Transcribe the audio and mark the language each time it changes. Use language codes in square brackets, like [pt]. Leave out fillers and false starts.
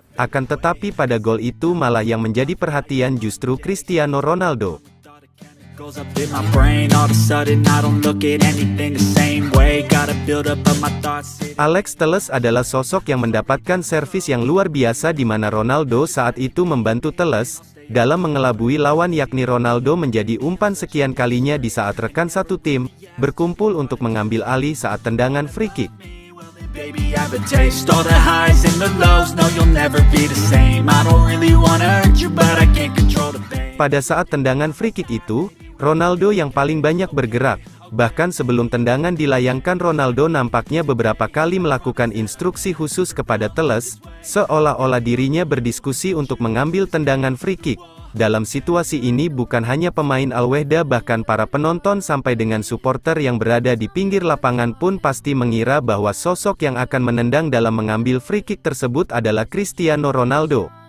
[id] Akan tetapi pada gol itu malah yang menjadi perhatian justru Cristiano Ronaldo. [en] Goes up in my brain, all of a sudden I don't look at anything the same way. Gotta build up my thoughts. [id] Alex Telles adalah sosok yang mendapatkan servis yang luar biasa di mana Ronaldo saat itu membantu Telles dalam mengelabui lawan, yakni Ronaldo menjadi umpan sekian kalinya di saat rekan satu tim berkumpul untuk mengambil alih saat tendangan free kick. [en] Baby, I've been chased all the highs and the lows. No, you'll never be the same. I don't really wanna hurt you, but I can't control the pain. [id] Pada saat tendangan free kick itu, Ronaldo yang paling banyak bergerak. Bahkan sebelum tendangan dilayangkan, Ronaldo nampaknya beberapa kali melakukan instruksi khusus kepada Telles, seolah-olah dirinya berdiskusi untuk mengambil tendangan free kick. Dalam situasi ini bukan hanya pemain Al Wehda, bahkan para penonton sampai dengan supporter yang berada di pinggir lapangan pun pasti mengira bahwa sosok yang akan menendang dalam mengambil free kick tersebut adalah Cristiano Ronaldo.